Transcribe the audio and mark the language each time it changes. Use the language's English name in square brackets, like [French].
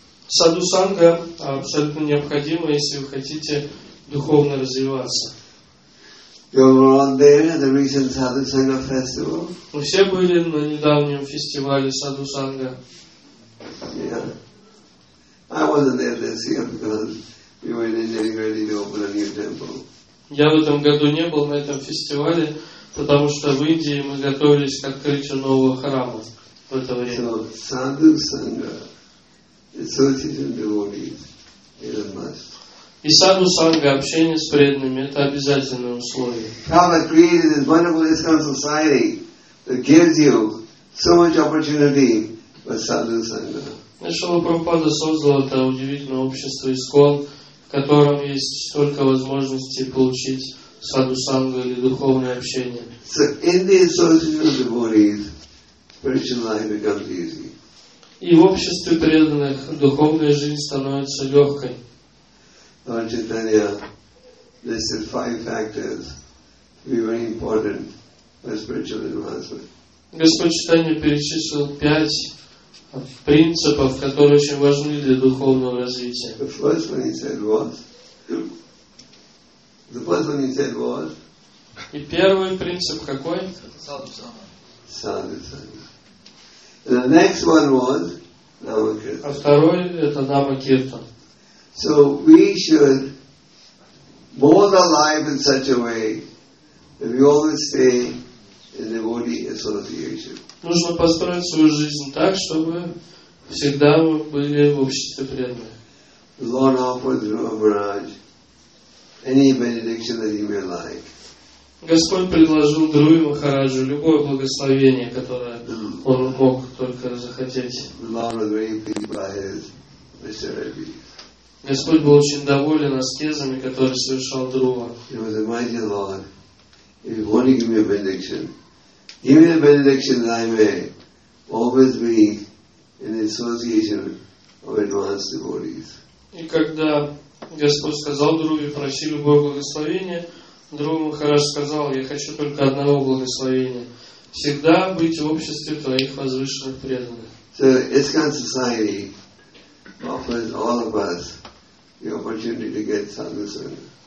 [Russian] Sadhu Sangha абсолютно необходимо, если вы хотите духовно развиваться. [English] You were all there at the recent Sadhu Sangha festival. [Russian] Мы все были на недавнем фестивале Sadhu Sangha. [English] Yeah. I wasn't there this year because we were in India getting ready to open a new temple. [Russian] Я в этом году не был на этом фестивале, потому что в Индии мы готовились к открытию нового храма в это время. [English] So, Sadhu Sangha, association of devotees, is a must. [Russian] И Sadhu Sangha, общение с преданными, это обязательное условие. [English] Prabhupada created this wonderful ISKCON society that gives you so much opportunity for Sadhu Sangha. [Russian] Шрила Прабхупада создал это удивительное общество ИСКОН, в котором есть столько возможностей получить саду сангу или духовное общение. [English] So in the association of devotees, spiritual life becomes easy. [Russian] И в обществе преданных духовная жизнь становится легкой. [English] Lord Chaitanya listed five factors to be very important for spiritual advancement. [Russian] Господь Читания перечислил пять принципов, которые очень важны для духовного развития. [English] The first one he said was, [Russian] и первый принцип какой? [English] Саду-сангха. The next one was Нама-киртан. [Russian] А второй это Нама-киртан. [English] So we should mold our life in such a way that we always stay in devotee association. [Russian] Нужно построить свою жизнь так, чтобы всегда мы были в обществе преданных. [English] Lord offers Dhruvaraj any benediction that he may like. [Russian] Господь предложил Друи Махараджу любое благословение, которое он мог только захотеть. [English] Lord was very pleased by his asceticism. [Russian] Господь был очень доволен аскезами, которые совершал Друва. [English] He was a mighty Lord. If you want to give me a benediction, give me a benediction that I may always be in the association of advanced devotees. [Russian] И когда Господь сказал Друве, проси любое благословение, Друва Махарадж сказал, я хочу только одного благословения. Всегда быть в обществе твоих возвышенных преданных. [English] So, ISKCON society offers all of us the opportunity to get Sadhu Sangha.